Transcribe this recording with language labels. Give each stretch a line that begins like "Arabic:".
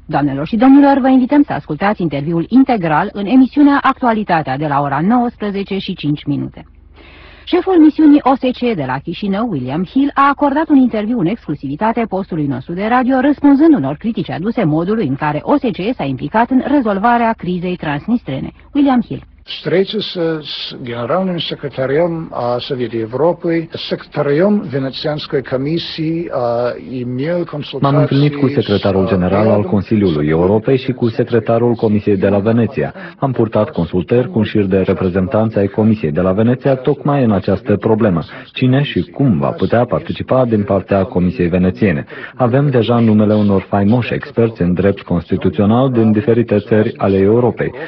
Romanian: Doamnelor și domnilor, vă invităm să ascultați interviul integral în emisiunea Actualitatea de la ora 19:05. Șeful misiunii OSCE de la Chișinău, William Hill, a acordat un interviu în exclusivitate postului nostru de radio, răspunzând unor critici aduse modului în care OSCE s-a implicat în rezolvarea crizei transnistrene. William Hill.
Russian: Встретился с генеральным секретарем Совета Европы, секретарем Венецианской комиссии, имел консультации...
Romanian: M-am întâlnit cu secretarul general al Consiliului Europei și cu secretarul Comisiei de la Veneția. Am purtat consultări cu un șir de reprezentanți ai Comisiei de la Veneția tocmai în această problemă. Cine și cum va putea participa din partea Comisiei Venețiene? Avem deja numele unor faimoși experți în drept constituțional din diferite țări ale Europei.